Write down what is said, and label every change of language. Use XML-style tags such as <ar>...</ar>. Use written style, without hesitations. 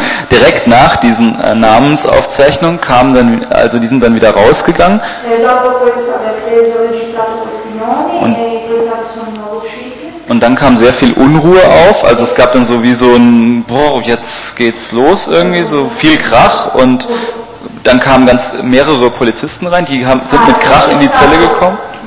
<de>Direkt nach diesen Namensaufzeichnungen kamen dann, also die sind dann wieder rausgegangen.</de> <it>Dopo questo aver preso registrato questi nomi e poi sono usciti.</it> <de>Und dann kam sehr viel Unruhe auf, also es gab dann so wie so ein, boah, jetzt geht's los irgendwie, so viel Krach. Und dann kamen ganz mehrere Polizisten rein, die haben, sind mit Krach in die Zelle gekommen.</de>